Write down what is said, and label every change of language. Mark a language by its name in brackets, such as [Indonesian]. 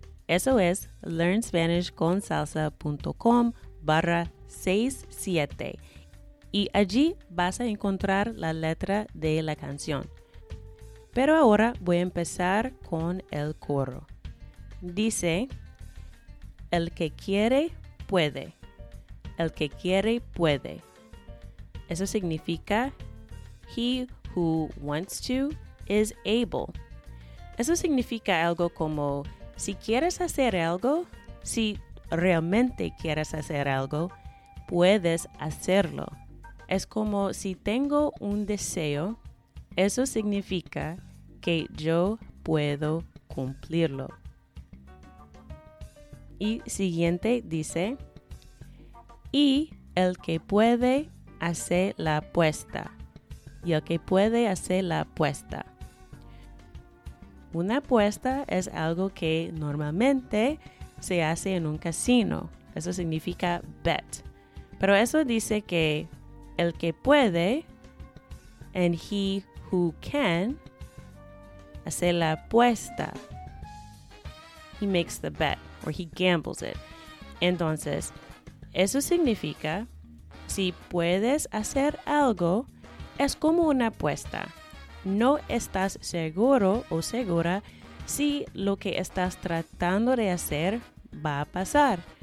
[Spanish] Eso es learnspanishconsalsa.com/67. Y allí vas a encontrar la letra de la canción. Pero ahora voy a empezar con el coro. Dice, el que quiere, puede. El que quiere, puede. Eso significa, [English] he who wants to is able. [Spanish] Eso significa algo como, si quieres hacer algo, si realmente quieres hacer algo, puedes hacerlo. Es como, si tengo un deseo, eso significa que yo puedo cumplirlo. Y siguiente dice, y el que puede hacer la apuesta. Y el que puede hacer la apuesta. Una apuesta es algo que normalmente se hace en un casino. Eso significa bet. Pero eso dice que el que puede, [English] and he who can, [Spanish] hace la apuesta. [English] He makes the bet, or he gambles it. [Spanish] Entonces, eso significa, si puedes hacer algo, es como una apuesta. No estás seguro o segura si lo que estás tratando de hacer va a pasar.